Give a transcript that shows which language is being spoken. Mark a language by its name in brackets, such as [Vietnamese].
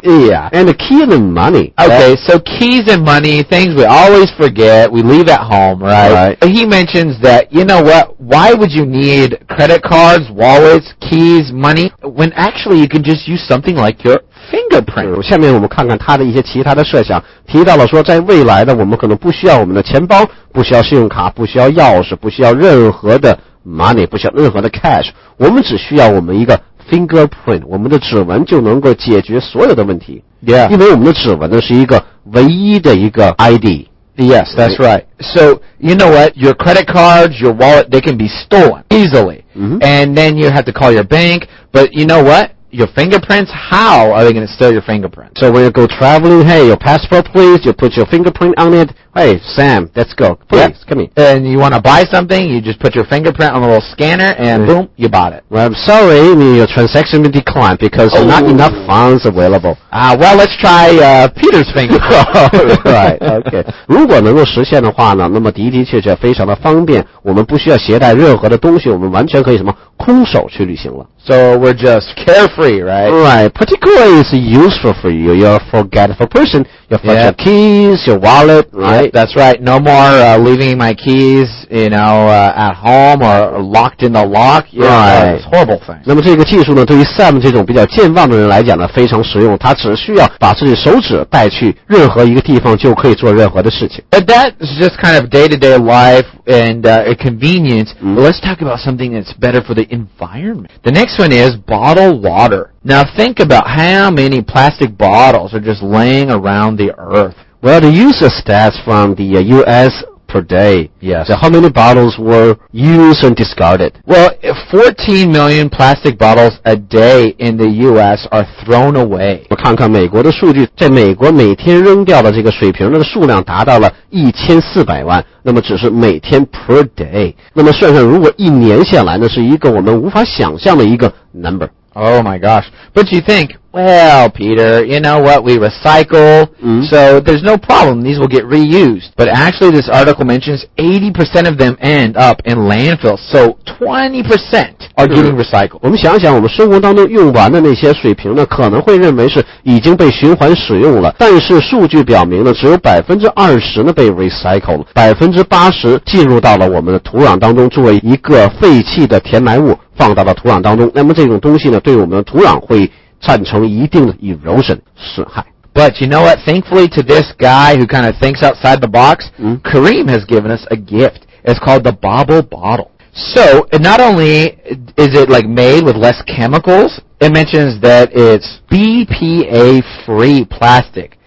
[English] Yeah. And the key and the money. Okay, so keys and money, things we always forget, we leave at home, right? Right. He mentions that, you know what, why would you need credit cards, wallets, keys, money, when actually you can just use something like your fingerprint? [Chinese] 下面我们看看他的一些其他的设想，提到了说在未来呢，我们可能不需要我们的钱包，不需要信用卡，不需要钥匙，不需要任何的money, 不需要任何的 cash, 我们只需要我们一个 fingerprint, 我们的指纹就能够解决所有的问题。 [English] Yeah. [Chinese] 因为我们的指纹呢是一个唯一的一个 ID。 [English] Yes, that's right. So, you know what, your credit cards, your wallet, they can be stolen easily. Mm-hmm. And then you have to call your bank, but you know what? Your fingerprints, how are they going to steal your fingerprint? So when you go traveling, hey, your passport please, you put your fingerprint on it, hey, Sam, let's go. Please, come in. And you want to buy something, you just put your fingerprint on a little scanner, and boom, you bought it. Well, I'm sorry, your transaction will decline because not enough funds available. Well, let's try Peter's fingerprint. Right, okay. [Chinese] 如果能够实现的话呢，那么的的确确非常的方便，我们不需要携带任何的东西，我们完全可以什么，空手去旅行了。 [English] So we're just carefree, right? Right, particularly it's useful for you. You're a forgetful person. You forget your keys, your wallet, right? Yep, that's right. No more leaving my keys, you know, at home or locked in the lock. Yeah, right. It's a horrible thing. [Chinese] 那么这个技术呢，对于 Sam 这种比较健忘的人来讲呢，非常实用。他只需要把自己手指带去任何一个地方，就可以做任何的事情。 [English] But that's just kind of day-to-day life and convenience. Let's talk about something that's better for the environment. The next one is bottled water. Now think about how many plastic bottles are just laying around the earth. Well, the user stats from the U.S. per day. Yes. So how many bottles were used and discarded? Well, 14 million plastic bottles a day in the U.S. are thrown away. [Chinese] 我看看美国的数据，在美国每天扔掉的这个水瓶的数量达到了1400万。那么只是每天 per day，那么算上如果一年下来，那是一个我们无法想象的一个 number。 [English] Oh my gosh. But you think, well, Peter, you know what? We recycle, so there's no problem. These will get reused. But actually, this article mentions 80% of them end up in landfills. So 20% are getting recycled. [Chinese] 我们想想我们生活当中用完的那些水瓶呢，可能会认为是已经被循环使用了。但是数据表明呢，只有 20% 呢被 recycled 了。 80% 进入到了我们的土壤当中，作为一个废弃的填埋物。放到了土壤当中，那么这种东西呢，对我们的土壤会产生一定的 erosion 损害。 [English] But you know what? Thankfully to this guy who kind of thinks outside the box, Kareem has given us a gift. It's called the bubble bottle. So, not only is it like made with less chemicals, it mentions that it's BPA-free plastic.